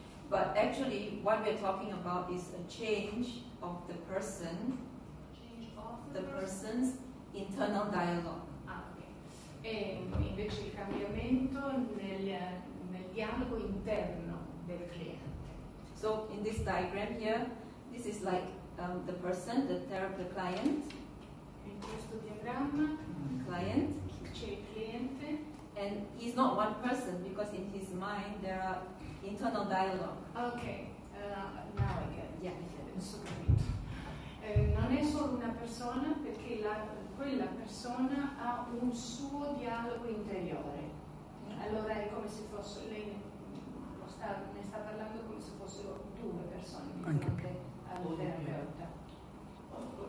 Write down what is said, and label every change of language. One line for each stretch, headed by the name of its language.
English: But actually, what we're talking about is a change of the person, change of the person's internal dialogue. Ah, okay.
Italian: e invece il cambiamento nel dialogo interno del cliente.
English: So in this diagram here, this is like the person, the therapist, the client.
Italian: In questo diagramma,
English: client,
Italian: c'è il cliente.
English: And he's not one person because in his mind there are internal dialogue. Okay, now again. Yeah,
Italian: so non è solo una persona perché quella persona ha un suo dialogo interiore. Allora è come se fosse lei ne sta parlando come se fossero due persone di fronte al terapeuta.